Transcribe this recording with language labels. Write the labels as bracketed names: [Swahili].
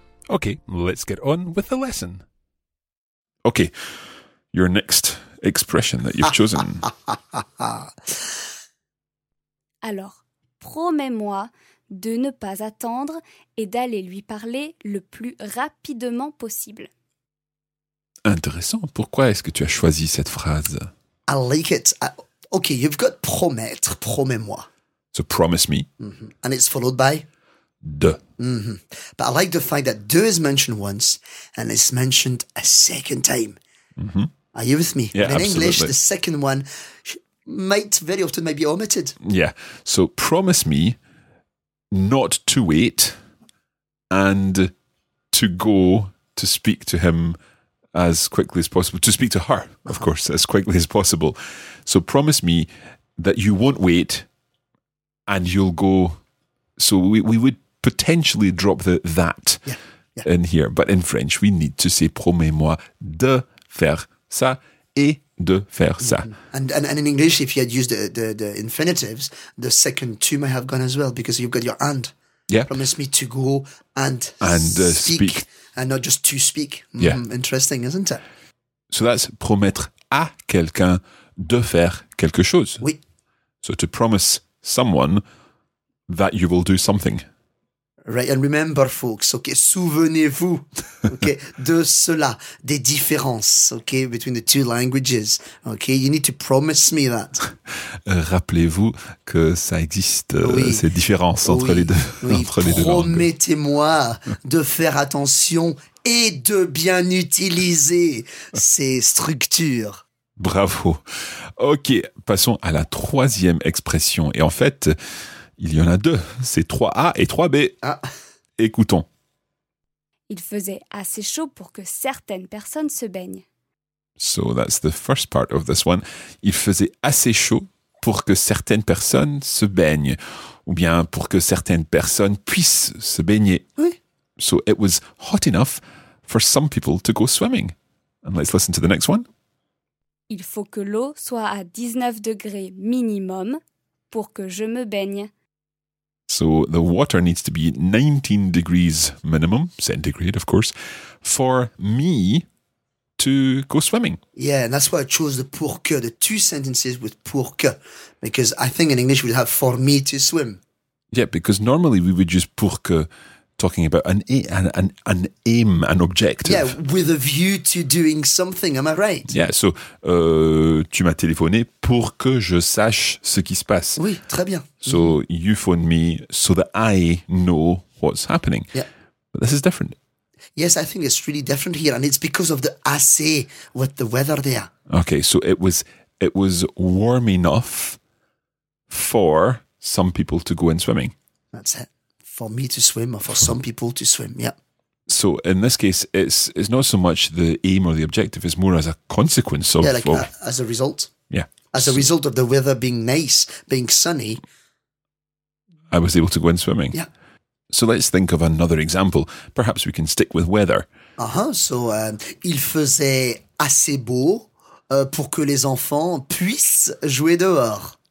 [English] Okay, let's get on with the lesson. Okay, your next expression that you've chosen. [French] Alors, promets-moi de ne pas attendre et d'aller lui parler le plus rapidement possible. Intéressant. Pourquoi est-ce que tu as choisi cette phrase? [English] I like it. Okay, you've got promettre, promets-moi. So promise me. Mm-hmm. And it's followed by? [French] De. Mm-hmm. [English] But I like the fact that de is mentioned once and it's mentioned a second time. Mm-hmm. Are you with me? Yeah, in absolutely. English, the second one might very often might be omitted. Yeah. So promise me not to wait and to go to speak to him as quickly as possible. To speak to her, of course, as quickly as possible. So promise me that you won't wait and you'll go. So we would potentially drop the that in here. But in French, we need to say [French] promets-moi de faire ça [English] et de faire ça. And in English, if you had used the infinitives, the second two might have gone as well because you've got your and. Yeah. Promise me to go and speak. And not just to speak. Yeah. Interesting, isn't it? So that's [French] promettre à quelqu'un de faire quelque chose. Oui. [English] So to promise someone that you will do something. Right, and remember, folks, okay, [French] souvenez-vous, [English] okay, [French] de cela, des différences, [English] okay, between the two languages, okay, you need to promise me that. [French] Rappelez-vous que ça existe, ces différences entre les deux, entre les deux langues. Promettez-moi de faire attention et de bien utiliser ces structures. Bravo. Ok, passons à la troisième expression, et en fait... Il y en a deux, c'est 3A et 3B. Ah. Écoutons. Il faisait assez chaud pour que certaines personnes se baignent. [English] So that's the first part of this one. [French] Il faisait assez chaud pour que certaines personnes se baignent. Ou bien pour que certaines personnes puissent se baigner. Oui. [English] So it was hot enough for some people to go swimming. And let's listen to the next one. [French] Il faut que l'eau soit à 19 degrés minimum. Pour que je me baigne. [English] So the water needs to be 19 degrees minimum, centigrade of course, for me to go swimming. Yeah, and that's why I chose the pour que, the two sentences with pour que, because I think in English we'd have for me to swim. Yeah, because normally we would use pour que talking about an aim, an objective. Yeah, with a view to doing something, am I right? Yeah, so, [French] tu m'as téléphoné pour que je sache ce qui se passe. Oui, très bien. [English] So, you phoned me so that I know what's happening. Yeah. But this is different. Yes, I think it's really different here, and it's because of the assez with the weather there. Okay, so it was warm enough for some people to go in swimming. That's it. For me to swim or for some people to swim, yeah. So in this case, it's not so much the aim or the objective, it's more as a consequence of... Yeah, like as a result. Yeah. As a result of the weather being nice, being sunny. I was able to go in swimming. Yeah. So let's think of another example. Perhaps we can stick with weather. Uh-huh. So [French] il faisait assez beau pour que les enfants puissent jouer dehors.